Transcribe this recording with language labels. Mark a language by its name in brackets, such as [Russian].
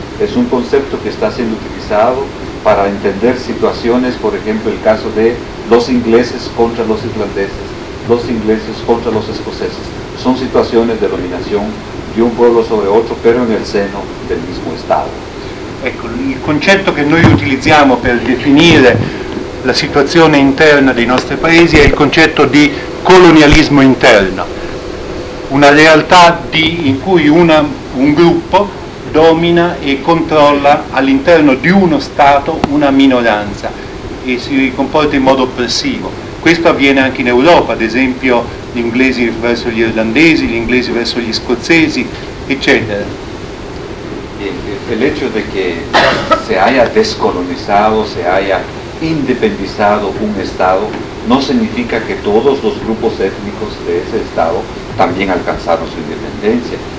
[Spanish] Es un concepto que está siendo utilizado para entender situaciones, por ejemplo, el caso de los ingleses contra los irlandeses, los ingleses contra los escoceses. Son situaciones de dominación de un pueblo sobre otro, pero en el seno del mismo Estado. [Italian] Ecco, il concetto che noi utilizziamo per definire la situazione interna dei nostri paesi è il concetto di colonialismo interno, una realtà in cui un gruppo domina e controlla all'interno di uno Stato una minoranza e si comporta in modo oppressivo. Questo avviene anche in Europa, ad esempio gli inglesi verso gli irlandesi, gli inglesi verso gli scozzesi, eccetera. [Spanish] El hecho de que se haya descolonizado, se haya independizado un Estado, no significa que todos los grupos étnicos de ese Estado también alcanzaron su independencia.